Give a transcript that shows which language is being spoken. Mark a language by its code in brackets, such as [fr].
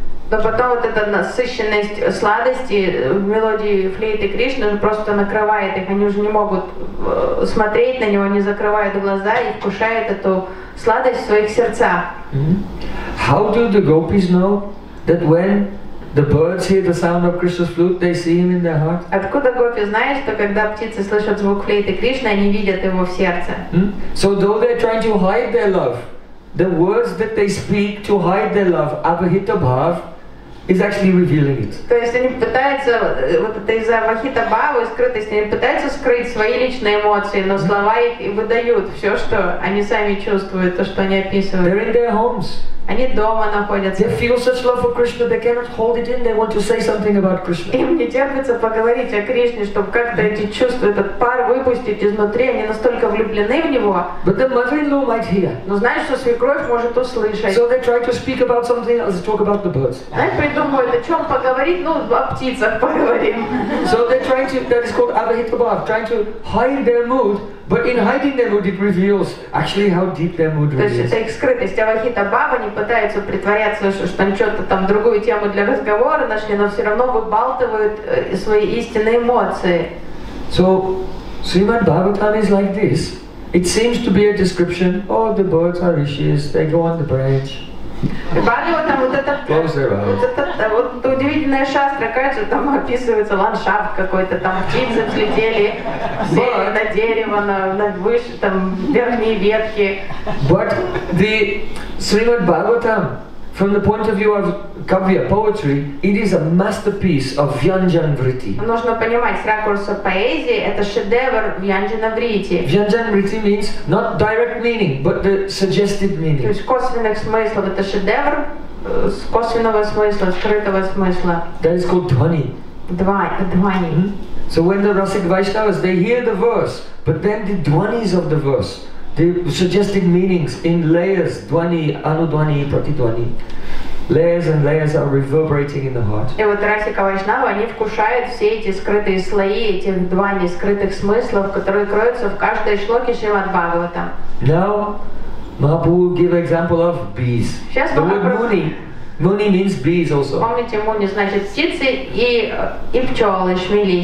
[ru] Но потом вот эта насыщенность сладости в мелодии флейты Кришны просто накрывает их. Они уже не могут смотреть на него, они закрывают глаза и вкушают эту сладость в своих сердцах. [en] How do the gopis know that when the birds hear the sound of Krishna's flute, they see him in their heart? [ru] Откуда гопи знают, что когда птицы слышат звук флейты Кришны, они видят его в сердце? [en] So though they're trying to hide their love, the words that they speak to hide their love, Avahita Bhav, is actually revealing it. [ru] То есть они пытаются вот это из-за Авахита Бхавы скрытости, они пытаются скрыть свои личные эмоции, но слова их выдают все, что они сами чувствуют, то, что они описывают. [en] They're in their homes. [ru] Они дома находятся. [en] They feel such love for Krishna, they cannot hold it in. They want to say something about Krishna. [ru] Им не терпится поговорить о Кришне, чтобы как-то эти чувства, этот пар выпустить изнутри. Они настолько влюблены в него. [en] But the mother-in-law might hear. [ru] Но знаешь, что свекровь может услышать. [en] So they try to speak about something else, talk about the birds. [ru] Они придумывают, о чем поговорить, ну, о птицах поговорим. [en] So they try to, that is called Avahita Bhav, trying to hide their mood. But in hiding their mood, it reveals actually how deep their mood really is. [ru] То есть это их скрытость. Авахита Бхава не пытается притворяться, что там что-то там другую тему для разговора нашли, но все равно выбалтывают свои истинные эмоции. [en] So, Srimad Bhagavatam is like this. It seems to be a description. Oh, the birds are rishis. They go on the branch. [ru] Бхагаватам вот это, вот это удивительное шастра, кажется, там описывается ландшафт какой-то, там птицы взлетели на дерево, на выше, там верхние ветки. [en] But the Srimad Bhagavatam, from the point of view of Kavya poetry, it is a masterpiece of Vyanjan Vritti. [ru] Нужно понимать, с ракурса поэзии, это шедевр Vyanjana Vritti. [en] Vyanjan Vritti means not direct meaning, but the suggested meaning. [ru] То есть косвенных смыслов, это шедевр косвенного смысла, скрытого смысла. [en] That is called dhvani. Dhvani. So when the Rasik Vaishnavas, they hear the verse, but then the dhvanis of the verse, the suggested meanings in layers, dvani, anudvani, pratidvani. Layers and layers are reverberating in the heart. [ru] И вот Расика Вайшнава, они вкушают все эти скрытые слои, эти двани скрытых смыслов, которые кроются в каждой шлоке Шримад Бхагавата. [en] Now, Mahaprabhu give example of bees. [ru] Сейчас [en] the word Muni. Муни means bees also. [ru] Помните, муни значит птицы и пчелы, шмели.